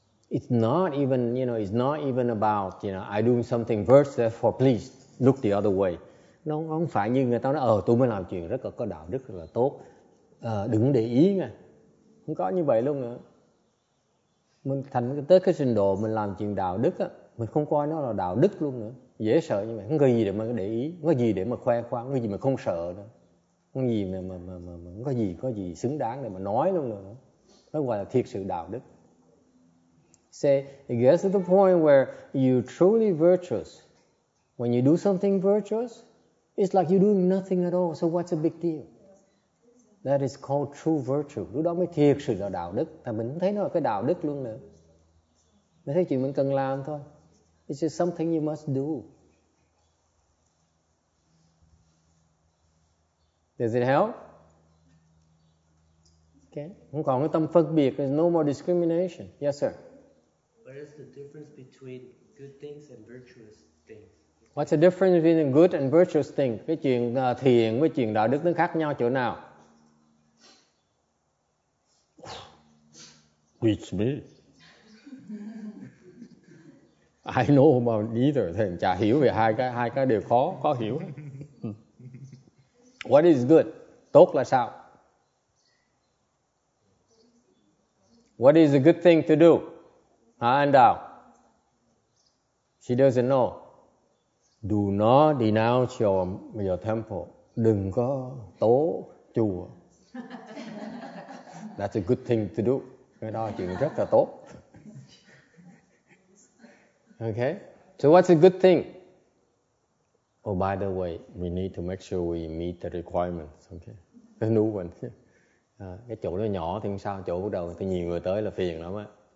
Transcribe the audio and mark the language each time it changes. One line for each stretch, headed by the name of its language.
English: It's not even about, you know, I doing something virtuous, therefore please look the other way.
Vietnamese: Nó không phải như người ta nói, tôi mới làm chuyện rất là có đạo đức, rất là tốt. Đừng để ý nghe, không có như vậy luôn nữa. Mình thành tới cái trình độ mình làm chuyện đạo đức á, mình không coi nó là đạo đức luôn nữa, dễ sợ như vậy. Không có gì để mà để ý, không có gì để mà khoe khoang, không có gì mà không sợ nữa, không có gì mà không có gì xứng đáng để mà nói luôn nữa. Nó gọi là thiệt sự đạo đức.
English: Say, it gets to the point where you truly virtuous. When you do something virtuous, it's like you doing nothing at all. So what's a big deal? That is called true virtue.
Vietnamese: Lúc đó mới thiệt sự là đạo đức. Thì mình thấy nó là cái đạo đức luôn nữa. Mình thấy chuyện mình cần làm thôi.
English: It's just something you must do. Does it help?
Vietnamese: Okay. Không còn cái tâm phân biệt.
English: There's no more discrimination. Yes, sir. What is the difference between good things and virtuous things? What's the difference between good and virtuous things?
Vietnamese: Cái chuyện thiện với chuyện đạo đức nó khác nhau chỗ nào?
English: Which me? I know about neither.
Vietnamese: Thầy chả hiểu về hai cái đều khó hiểu.
English: What is good?
Vietnamese: Tốt là sao?
English: What is a good thing to do?
Vietnamese: Hả anh Đào?
English: She doesn't know. Do not denounce your temple.
Vietnamese: Đừng có tố chùa.
English: That's a good thing to do.
Vietnamese: Cái đó chuyện rất là tốt.
English: Okay. So what's a good thing? Oh, by the way, we need to make sure we meet the requirements.
Vietnamese: Okay.
English: The new one.
Vietnamese: Cái chỗ nó nhỏ thì sao? Chỗ bắt đầu thì nhiều người tới là phiền lắm á.